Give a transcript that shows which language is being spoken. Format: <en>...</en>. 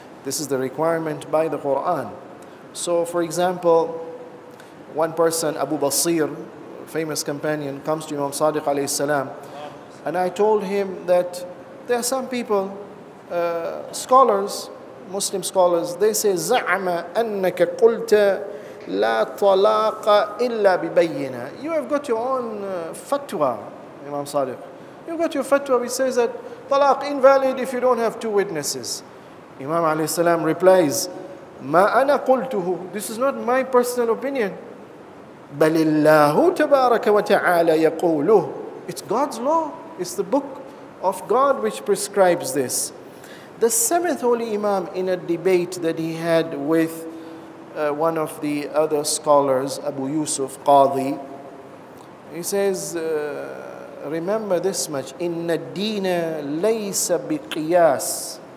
<en>This is the requirement by the Quran. So for example, one person, Abu Basir, famous companion, comes to Imam Sadiq alayhi salam, and I told him that there are some people, scholars, Muslim scholars, they say,</en> <ar>زَعْمَ أَنَّكَ قُلْتَ لا طلاق إلا ببينة.</ar> <en>You have got your own fatwa, Imam Sadiq. You've got your fatwa which says that talaq invalid if you don't have two witnesses. Imam alayhi salam replies,</en> <ar>ما أنا قلته.</ar> <en>This is not my personal opinion.</en> <ar>بل الله تبارك وتعالى يقوله.</ar> <en>It's God's law. It's the book of God which prescribes this. The seventh holy imam, in a debate that he had with one of the other scholars, Abu Yusuf Qadhi, he says, remember this much,</en> <ar>إِنَّ الدِّينَ لَيْسَ بِقِيَاسِ.</ar>